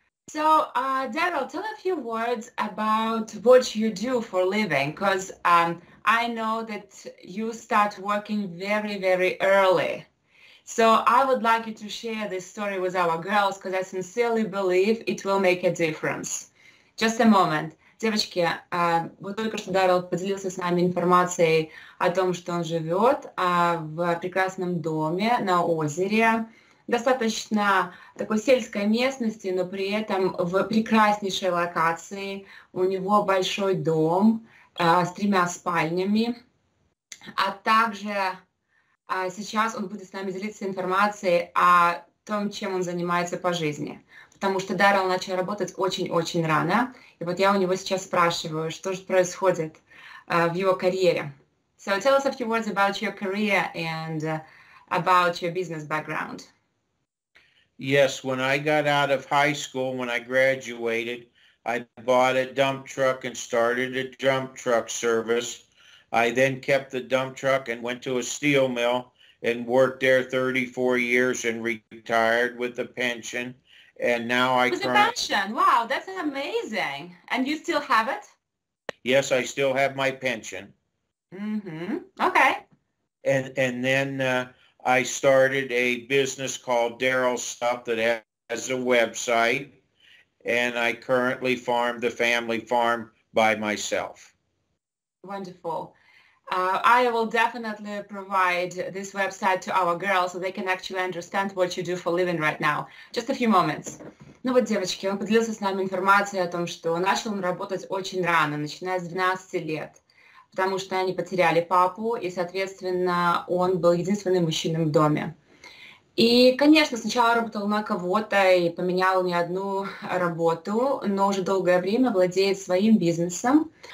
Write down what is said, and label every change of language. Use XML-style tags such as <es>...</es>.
<en>So, Daryl, tell a few words about what you do for a living, because I know that you start working very, very early. So I would like you to share this story with our girls, because I sincerely believe it will make a difference. Just a moment.</en> <ru>Девочки, вот только что Даррелл поделился с нами информацией о том, что он живет в прекрасном доме на озере, достаточно такой сельской местности, но при этом в прекраснейшей локации. У него большой дом с 3 спальнями, а также сейчас он будет с нами делиться информацией о том, чем он занимается по жизни. Потому что Даррелл начал работать очень-очень рано. И вот я у него сейчас спрашиваю, что же происходит в его карьере.</ru> <en>So tell us a few words about your career and about your business background. Yes, when I got out of high school, when I graduated, I bought a dump truck and started a dump truck service. I then kept the dump truck and went to a steel mill and worked there 34 years and retired with a pension. And now I with a pension. Wow, that's amazing. And you still have it? Yes, I still have my pension. Mm-hmm. Okay. And then I started a business called Daryl Stuff that has a website. And I currently farm the family farm by myself. Wonderful. I will definitely provide this website to our girls so they can actually understand what you do for a living right now. Just a few moments.</en> <ru>Ну вот, девочки, он поделился с нами информацией о том, что начал он работать очень рано, начиная с 12 лет, потому что они потеряли папу, и, соответственно, он был единственным мужчиной в доме. И, конечно, сначала работал на кого-то и поменял не одну работу, но уже долгое время владеет своим бизнесом.</ru>